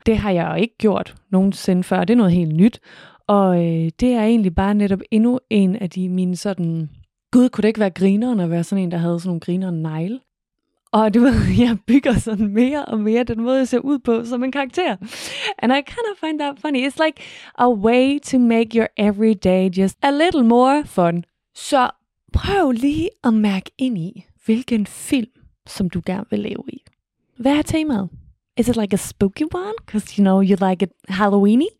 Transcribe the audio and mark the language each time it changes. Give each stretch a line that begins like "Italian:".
Danish: Det har jeg jo ikke gjort nogensinde før, det er noget helt nyt. Og det er egentlig bare netop endnu en af de mine sådan, gud, kunne det ikke være grineren at være sådan en, der havde sådan nogle grinerne negle? Og du ved, jeg bygger sådan mere og mere den måde, jeg ser ud på som en karakter.
English: And I kind of find that funny. It's like a way to make your everyday just a little more fun.
Danish: Så prøv lige at mærke ind i, hvilken film, som du gerne vil leve i. Hvad er temaet?
English: Is it like a spooky one? Because you know, you like it Halloween-y?